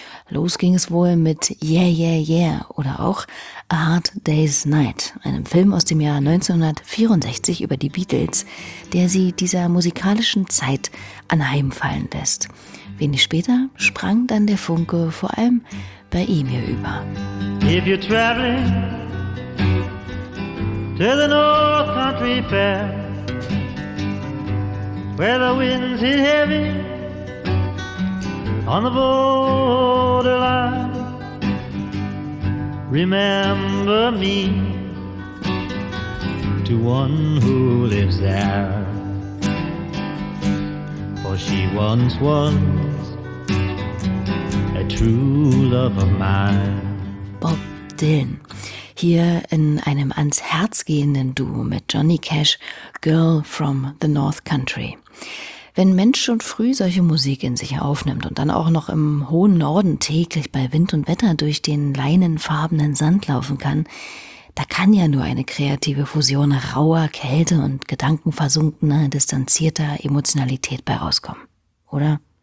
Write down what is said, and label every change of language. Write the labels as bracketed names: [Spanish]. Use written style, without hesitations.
[German] Los ging es wohl mit Yeah, Yeah, Yeah oder auch A Hard Day's Night, einem Film aus dem Jahr 1964 über die Beatles, der sie dieser musikalischen Zeit anheimfallen lässt. Wenig später sprang dann der Funke vor allem bei ihm hier über. [English] If you're traveling to the North Country Fair, where the winds hit heavy on the borderline, remember me to one who lives there. For she once was a true love of mine. Bob Dylan. [German] Hier in einem ans Herz gehenden Duo mit Johnny Cash, Girl from the North Country. Wenn Mensch schon früh solche Musik in sich aufnimmt und dann auch noch im hohen Norden täglich bei Wind und Wetter durch den leinenfarbenen Sand laufen kann, da kann ja nur eine kreative Fusion rauer Kälte und gedankenversunkener, distanzierter Emotionalität bei rauskommen, oder?